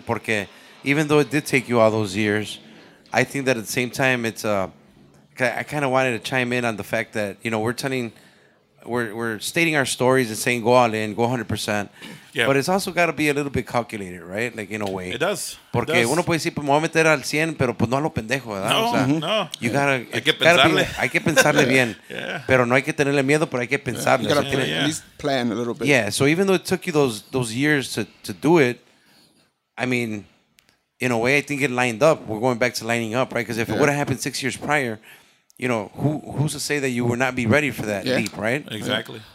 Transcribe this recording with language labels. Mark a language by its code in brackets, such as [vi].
[en] Porque even though it did take you all those years, I think that at the same time, it's I kind of wanted to chime in on the fact that, you know, we're stating our stories and saying go all in, go 100%. Yeah. But it's also got to be a little bit calculated, right? Like, in a way. It does. [es] Porque uno puede decir, pues me voy a meter al 100, pero pues no a lo pendejo, ¿verdad? No, o sea, no. [en] You gotta, [es] hay que pensarle bien. [en] Yeah. [es] Pero no hay que tenerle miedo, pero hay que pensarle. [en] You gotta at least plan a little bit. Yeah, so even though it took you those years to do it, I mean, in a way, I think it lined up. We're going back to lining up, right? Because if it would have happened 6 years prior, you know, who's to say that you would not be ready for that leap, right? Exactly.